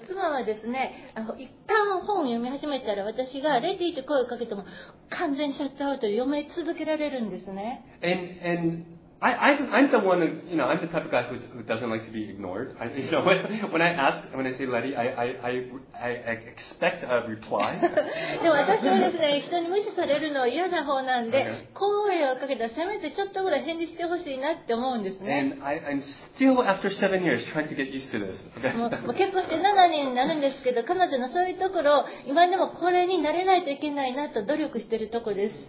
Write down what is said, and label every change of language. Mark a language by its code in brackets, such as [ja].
[ja] 妻はですね、一旦本を読み始めたら私がレディと声をかけても完全シャットアウト読め続けられるんですね。 [en] And I'm the one, you know, I'm the type of guy who doesn't like to be ignored. When I say Letty, I expect a reply. [ja] でも私はですね、人に無視されるのは嫌な方なんで、okay. 声をかけたらせめてちょっとぐらい返事してほしいなって思うんですね。 [en] And I'm still after 7 years trying to get used to this. [ja] もう結婚して7年になるんですけど、彼女のそういうところ、今でもこれになれないといけないなと努力してるとこです。